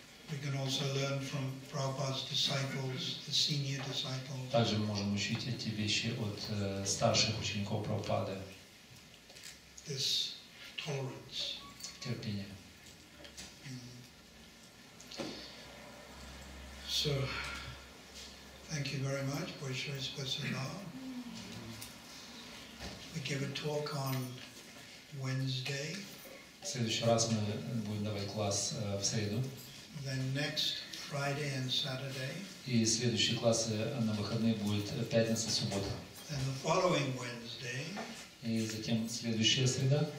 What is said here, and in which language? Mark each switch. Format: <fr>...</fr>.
<en>We can also learn from Prabhupada's disciples, the senior disciples.</en> <ru>Также мы можем учить эти вещи от старших учеников Прабхупады.</ru> <en>This tolerance.</en> <ru>Терпение.</ru> <en>So, thank you very much, Bhaiṣṇava Spatsanāl. We give a talk on Wednesday.</en> <ru>В следующий раз мы будем давать класс в среду.</ru> <en>Then next Friday and Saturday.</en> <ru>И следующие классы на выходные будут пятница, суббота.</ru> <en>And the following Wednesday.</en> <ru>И затем следующая среда.</ru>